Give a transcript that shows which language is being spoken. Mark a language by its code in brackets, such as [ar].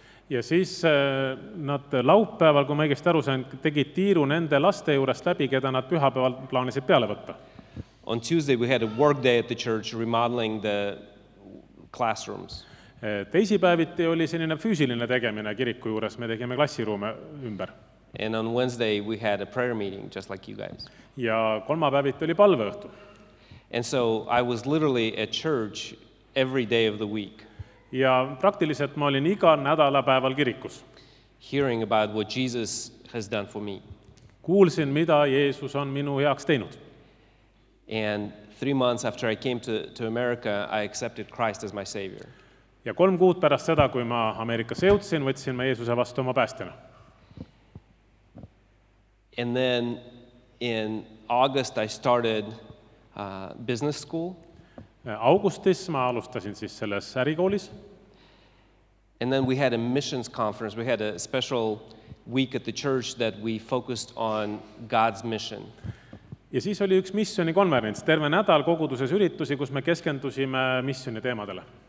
[et] Ja siis nad laupäeval, kui ma õigesti aru sain, tegid tiiru nende laste juurest läbi, keda nad pühapäeval plaanisid peale võtta. [en] On Tuesday we had a work day at the church remodeling the classrooms. [et] Teisipäeviti oli selline füüsiline tegemine kiriku juures, me tegime klassiruume ümber. [en] And on Wednesday we had a prayer meeting just like you guys. [et] Ja kolmapäeviti oli palveõhtu. [en] And so I was literally at church every day of the week. [et] Ja praktiliselt ma olin igal nädalapäeval kirikus. [en] Hearing about what Jesus has done for me. [et] Kuulsin, mida Jeesus on minu heaks teinud. [en] And 3 months after I came to America, I accepted Christ as my savior. [et] Ja 3 kuud pärast seda, kui ma Ameerikasse jõudsin, võtsin ma Jeesuse vastu oma päästjana. [en] And then in August I started business school. [et] Augustis ma alustasin siis selles ärikoolis. [en] And then we had a missions conference. We had a special week at the church that we focused on God's mission. [et] Ja siis oli üks missiooni konverents, terve nädal koguduses üritusi, kus me keskendusime missiooni teemadele.